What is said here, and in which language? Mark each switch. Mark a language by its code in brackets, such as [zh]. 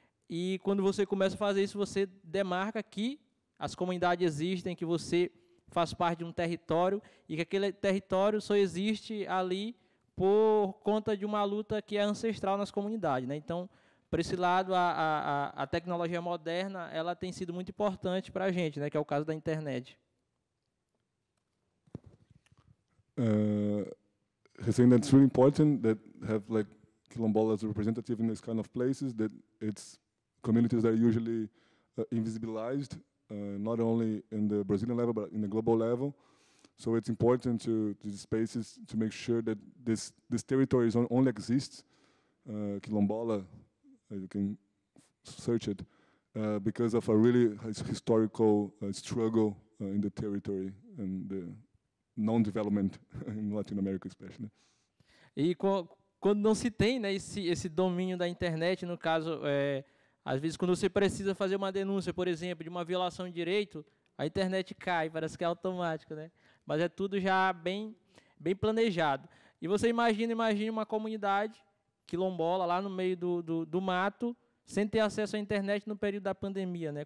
[pt] E quando você começa a fazer isso, você demarca que as comunidades existem, que você faz parte de um território e que aquele território só existe ali por conta de uma luta que é ancestral nas comunidades, né? Então, por esse lado, a tecnologia moderna ela tem sido muito importante para a gente, né? Que é o caso da internet. [en] He's saying that it's really important that have like quilombola as a representative in this kind of places, that it's communities that are usually invisibilized, not only in the Brazilian level, but in the global level. So it's important to these spaces to make sure that this territory only exists, quilombola, you can search it, because of a really historical struggle in the territory and the non-development in Latin America, especially. [pt] E quando não se tem, né, esse domínio da internet, no caso, às vezes, quando você precisa fazer uma denúncia, por exemplo, de uma violação de direito, a internet cai, parece que é automático, né? Mas é tudo já bem planejado. E você imagina uma comunidade quilombola lá no meio do mato, sem ter acesso à internet no período da pandemia, né?